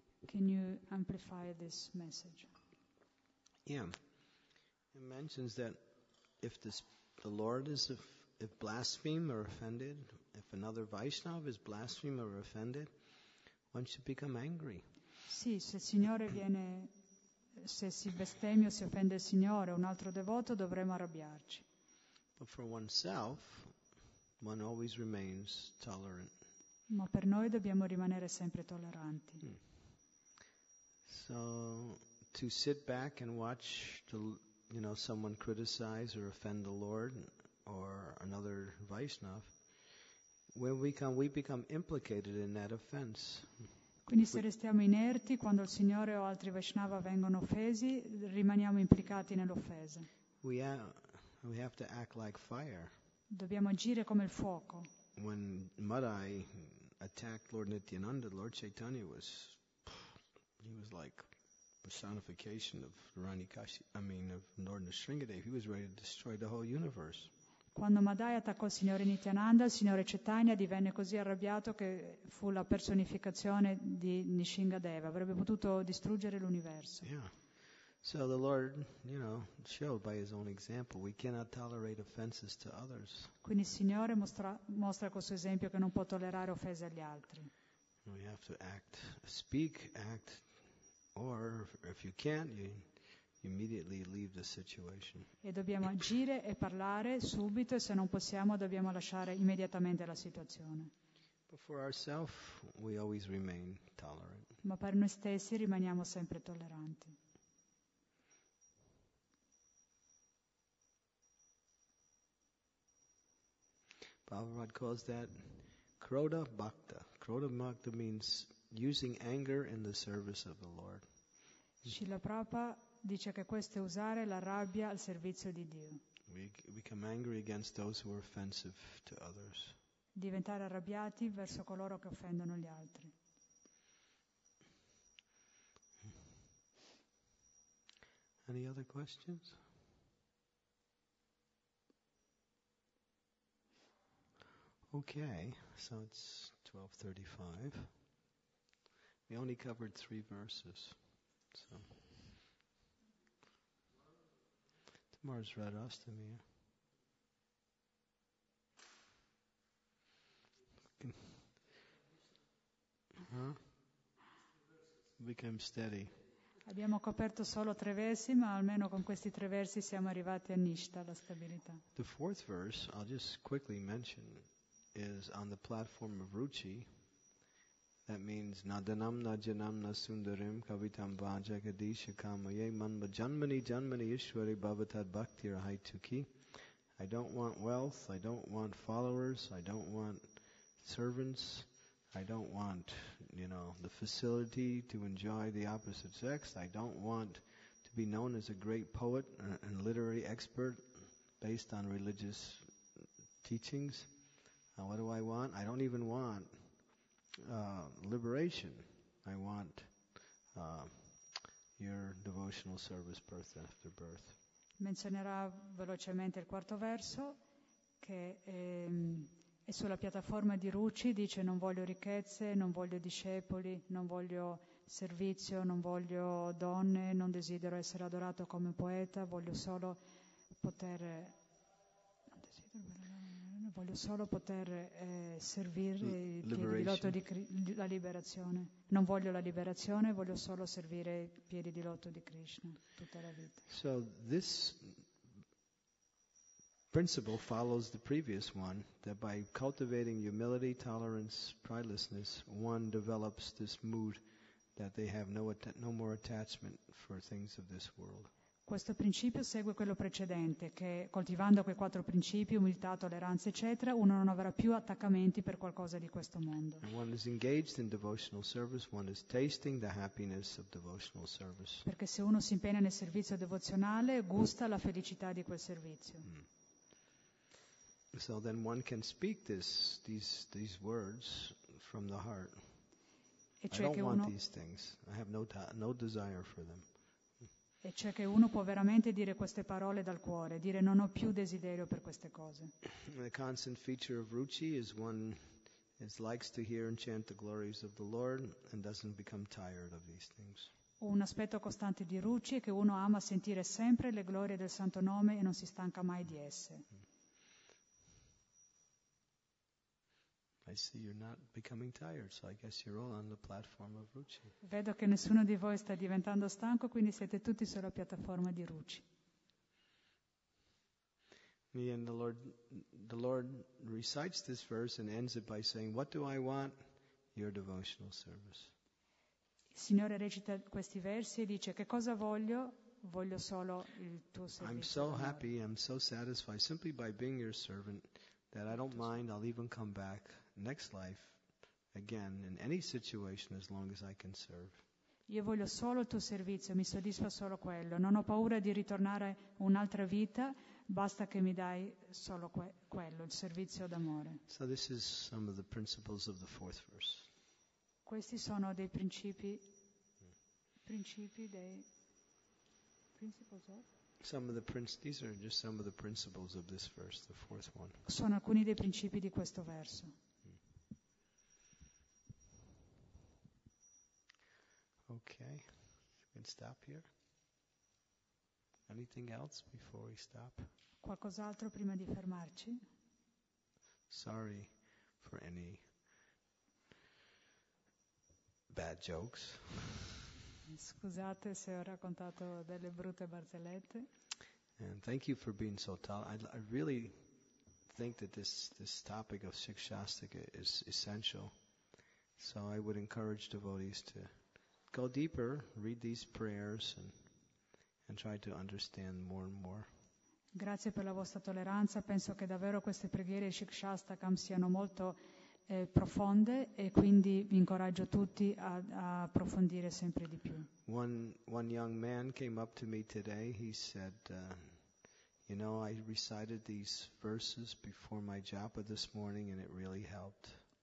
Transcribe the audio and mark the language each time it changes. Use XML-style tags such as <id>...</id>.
<en>Can you amplify this message? Yeah. It mentions that if the Lord is if blasphemed or offended, if another Vaishnava is blasphemed or offended, one should become angry.</en> <it>Sì, se il Signore viene se si bestemmia o si offende il Signore, un altro devoto, dovremmo arrabbiarci.</it> <en>But for oneself One always remains tolerant.</en> <it>Ma per noi dobbiamo rimanere sempre tolleranti. Mm.</it> <en>So to sit back and watch the, you know, someone criticize or offend the Lord or another Vaishnav, when we become implicated in that offense.</en> <it>Quindi se restiamo inerti quando il Signore o altri Vaishnava vengono offesi, rimaniamo implicati nell'offesa.</it> <en>We have to act like fire.</en> <it>Dobbiamo agire come il fuoco.</it> <en>When Madai attacked Lord Nityananda, Lord Chaitanya was like personification of Rani Kashi, of Lord Nisringadev. He was ready to destroy the whole universe.</en> <it>Quando Madai attaccò il Signore Nityananda, il Signore Chaitanya divenne così arrabbiato che fu la personificazione di Nisringadeva. Avrebbe potuto distruggere l'universo.</it> <en>Yeah. So the Lord, you know, showed by his own example we cannot tolerate offenses to others.</en> <it>Quindi il Signore mostra col suo esempio che non può tollerare offese agli altri.</it> <en>We have to speak, or if you can't, you immediately leave the situation.</en> <it>E dobbiamo agire e parlare subito e se non possiamo dobbiamo lasciare immediatamente la situazione.</it> <en>But for ourselves we always remain tolerant.</en> <it>Ma per noi stessi rimaniamo sempre tolleranti.</it> <en>Prabhupada calls that Krodha Bhakta. Krodha Bhakta means using anger in the service of the Lord.</en> <it>Srila Prabhupada dice che questo è usare la rabbia al servizio di Dio.</it> <en>We become angry against those who are offensive to others.</en> <it>Diventare arrabbiati verso coloro che offendono gli altri.</it> <en>Any other questions? Okay, so it's 12:35. We only covered 3 verses. So tomorrow's Radhastami. Become steady.</en> <it>Abbiamo coperto solo 3 versi, ma almeno con questi 3 versi siamo arrivati a Nishta, alla stabilità.</it> <en>The fourth verse, I'll just quickly mention, is on the platform of Ruchi. That means</en> <sa>Nadanam Najanam Nasundarim Kavitam Vaja Gadisha Kamaye Manma Janmani Janmani Ishwari Bhavatad Bhakti Rahai Tuki.</sa> <en>I don't want wealth, I don't want followers, I don't want servants. I don't want, you know, the facility to enjoy the opposite sex. I don't want to be known as a great poet and literary expert based on religious teachings. What do I want? I don't even want liberation. I want your devotional service birth after birth.</en> <it>Menzionerà velocemente il quarto verso che e sulla piattaforma di Ruchi dice: non voglio ricchezze, non voglio discepoli, non voglio servizio, non voglio donne, non desidero essere adorato come poeta, voglio solo poter servire i piedi di loto di la liberazione. Non voglio la liberazione, voglio solo servire i piedi di loto di Krishna tutta la vita.</it> <en>So this principle follows the previous one, that by cultivating humility, tolerance, pridelessness, one develops this mood that they have no more attachment for things of this world.</en> <it>Questo principio segue quello precedente, che coltivando quei quattro principi, umiltà, tolleranza, eccetera, uno non avrà più attaccamenti per qualcosa di questo mondo.</it> <en>And one is engaged in devotional service, one is tasting the happiness of devotional service.</en> <it>Perché se uno si impegna nel servizio devozionale, gusta la felicità di quel servizio.</it> <en>So then one can speak these words from the heart.</en> <it>E cioè</it> <en>I don't</en> <it>che</it> <en>want</en> <it>uno,</it> <en>these things. I have no desire for them.</en> <it>E cioè che uno può veramente dire queste parole dal cuore, dire non ho più desiderio per queste cose.</it> <en>The constant feature of Ruchi is one is likes to hear and chant the glories of the Lord and doesn't become tired of these things.</en> <it>Un aspetto costante di Ruchi è che uno ama sentire sempre le glorie del Santo Nome e non si stanca mai di esse.</it> <en>I see you're not becoming tired, so I guess you're all on the platform of Ruchi.</en> <it>Vedo che nessuno di voi sta diventando stanco, quindi siete tutti sulla piattaforma di Ruchi.</it> <en>And the Lord recites this verse and ends it by saying, "What do I want? Your devotional service."</en> <it>Il Signore recita questi versi e dice: "Che cosa voglio? Voglio solo il tuo servizio."</it> <en>I'm so happy, I'm so satisfied simply by being your servant that I don't mind, I'll even come back next life again in any situation as long as I can serve.</en> <it>Io voglio solo il tuo servizio, mi soddisfa solo quello, non ho paura di ritornare un'altra vita, basta che mi dai solo quello, il servizio d'amore.</it> <en>So this is some of the principles of the fourth verse.</en> <it>Questi sono dei</it> <en>principles of These are just some of the principles of this verse, the fourth one.</en> <it>Sono alcuni dei principi di questo verso.</it> <en>Okay, we can stop here. Anything else before we stop?</en> <it>Qualcos'altro prima di fermarci?</it> <en>Sorry for any bad jokes.</en> <it>Scusate se ho raccontato delle brutte barzellette.</it> <en>And thank you for being so tolerant. I really think that this topic of Shikshastika is essential. So I would encourage devotees to go deeper, read these prayers and try to understand more and more.</en> <it>Grazie per la vostra tolleranza. Penso che davvero queste preghiere Shikshastakam siano molto profonde, e quindi vi incoraggio tutti a approfondire sempre di più.</it> <en>One young man came up to me today. He said, you know, I recited these verses before my japa this morning and it really helped.</en>